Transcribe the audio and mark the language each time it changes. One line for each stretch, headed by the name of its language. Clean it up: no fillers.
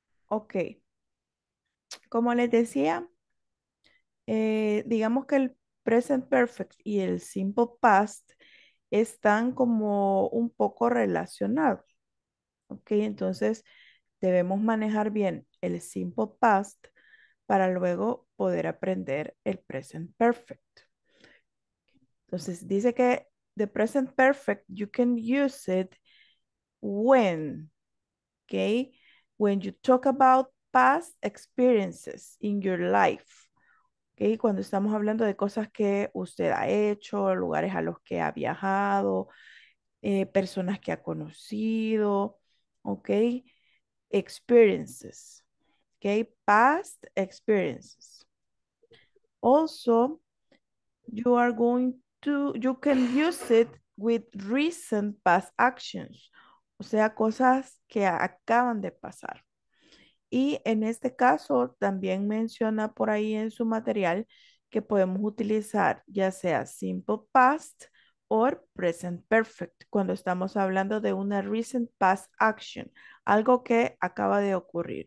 Spanish: Okay, como les decía, digamos que el present perfect y el simple past están como un poco relacionados. Ok, entonces debemos manejar bien el simple past para luego poder aprender el present perfect. Entonces dice que
English: the present perfect, you can use it when, ok, when you talk about past experiences in your life.
Spanish: Ok, cuando estamos hablando de cosas que usted ha hecho, lugares a los que ha viajado, personas que ha conocido.
English: Ok, experiences. Ok, past experiences. Also, you can use it with recent past actions.
Spanish: O sea, cosas que acaban de pasar. Y en este caso, también menciona por ahí en su material que podemos utilizar ya sea
English: simple past or present perfect,
Spanish: cuando estamos hablando de una recent past action, algo que acaba de ocurrir.